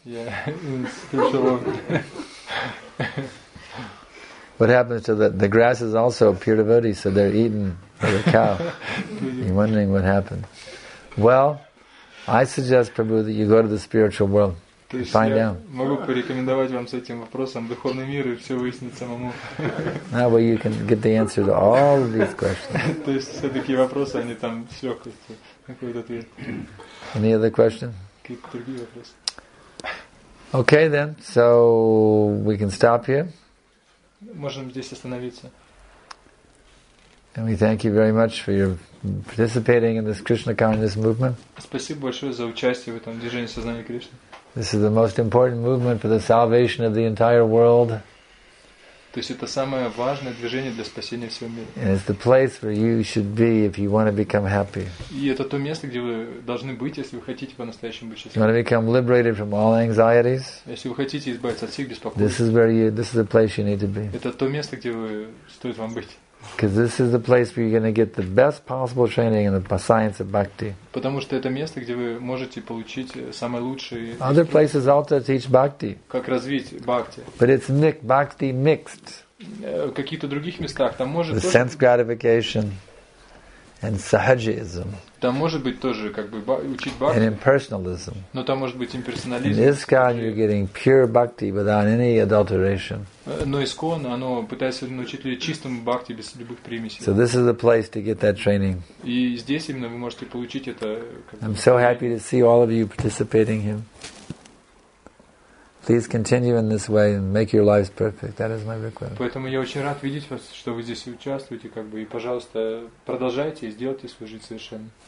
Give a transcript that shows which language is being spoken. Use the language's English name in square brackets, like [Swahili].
[English] Yeah, in spiritual world. What happens to the grass is also a pure devotee, so they're eaten by the cow. You're wondering what happened. Well, I suggest, Prabhu, that you go to the spiritual world. Find out. [Russian] Могу порекомендовать вам с этим вопросом духовный мир и все выяснить самому. [English] That way you can get the answer to all of these questions. [Russian] То есть все такие вопросы, они там с легкостью какой-то ответ. [English] Any other question? [Russian] Какие-то другие вопросы. [English] Okay then, so we can stop here. [Russian] Можем здесь остановиться. [English] And we thank you very much for your participating in this Krishna consciousness movement. [Russian] Спасибо большое за участие в этом движении сознания Кришны. [English] This is the most important movement for the salvation of the entire world. [Russian] То есть это самое важное движение для спасения всего мира. [English] And it's the place where you should be if you want to become happy. [Russian] И это то место, где вы должны быть, если вы хотите по-настоящему быть счастливым. [English] You want to become liberated from all anxieties. [Russian] Если вы хотите избавиться от всех беспокойств. [English] This is the place you need to be. [Russian] Это то место, где вы стоит вам быть. [English] Because this is the place where you're going to get the best possible training in the science of bhakti. [Russian] Потому что это место, где вы можете получить самое лучшее. [English] Other places also teach bhakti. [Russian] Как развить бхакти. [English] But it's mixed bhakti mixed. [Russian] В каких-то других местах там может. [English] The sense gratification and sahajism. [Russian] Там может быть тоже как бы учить бхакти. [English] And impersonalism. [Russian] Но там может быть имперсонализм. [English] In ISKCON you're getting pure bhakti without any adulteration. [Russian] Но ISKCON, оно пытается научить людей чистому бхакти без любых примесей. [English] So this is the place to get that training. [Russian] И здесь именно вы можете получить это. [English] I'm so happy to see all of you participating here. Please continue in this way and make your lives perfect. That is my request. [Russian] Поэтому я очень рад видеть вас, что вы здесь участвуете, как бы, и пожалуйста, продолжайте и сделайте свою жизнь совершенно.